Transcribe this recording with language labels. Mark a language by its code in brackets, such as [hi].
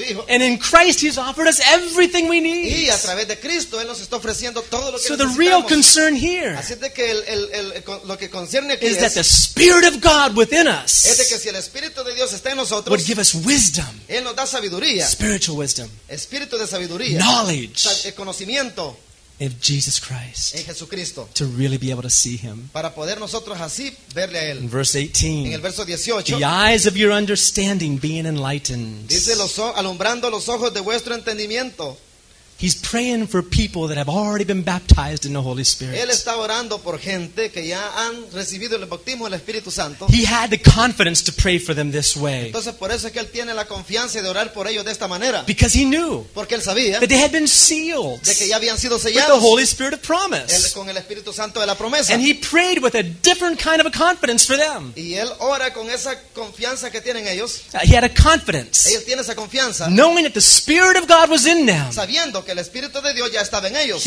[en] And in Christ He's offered us everything we need. [es] Y a través de Cristo Él nos está ofreciendo todo lo que necesitamos. [en] So the real concern here is that the Spirit of God within us [es] es de que si el Espíritu de Dios está en nosotros, [en] would give us wisdom. [es] Él nos da sabiduría. [en] Spiritual wisdom. [es] Espíritu de sabiduría. [en] Knowledge. [es] El conocimiento. [en] Of Jesus Christ, [es] en Jesucristo, [en] to really be able to see Him. [es] Para poder nosotros así verle a Él. [en] In verse 18, [es] en el verso 18, [en] the eyes of your understanding being enlightened. [es] Dice alumbrando los ojos de vuestro entendimiento. [en] He's praying for people that have already been baptized in the Holy Spirit. [es] Él está orando por gente que ya han recibido el bautismo del Espíritu Santo. [en] He had the confidence to pray for them this way. [es] Entonces por eso es que él tiene la confianza de orar por ellos de esta manera. [en] Because he knew. [es] Porque él sabía. [en] That they had been sealed. [es] De que ya habían sido sellados. [en] With the Holy Spirit of promise. [es] Él con el Espíritu Santo de la promesa. [en] And he prayed with a different kind of a confidence for them. [es] Y él ora con esa confianza que tienen ellos. [en] He had a confidence. [es] Él tiene esa confianza. [en] Knowing that the Spirit of God was in them. [es] Sabiendo que el Espíritu de Dios ya estaba en ellos.